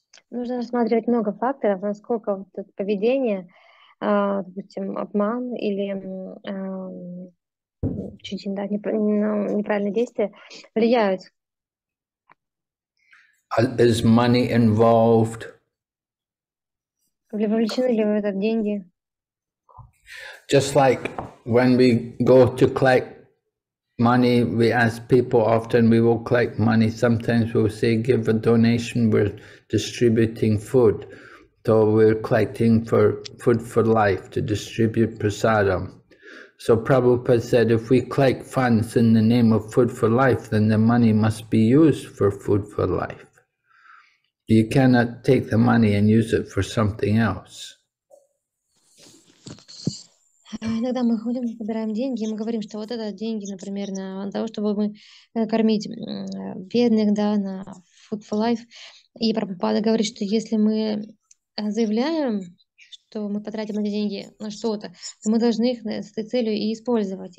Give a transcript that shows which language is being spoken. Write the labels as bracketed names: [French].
[Russian] Нужно рассматривать много факторов, насколько вот поведение, допустим, обман или чуть-чуть, да, неправильные действия влияют. [English] Is money involved? [Russian] Вовлечены ли в это деньги? [English] Just like when we go to collect money, we ask people often, we will collect money. Sometimes we'll say, give a donation, we're distributing food. So we're collecting for food for life to distribute prasadam. So Prabhupada said, if we collect funds in the name of food for life, then the money must be used for food for life. You cannot take the money and use it for something else. [Russian] Иногда мы ходим, собираем деньги, и мы говорим, что вот это деньги, например, на того, чтобы мы кормить бедных, да, на Food for Life. И Прабхупада говорит, что если мы заявляем, что мы потратим эти деньги на что-то, то мы должны их с этой целью и использовать.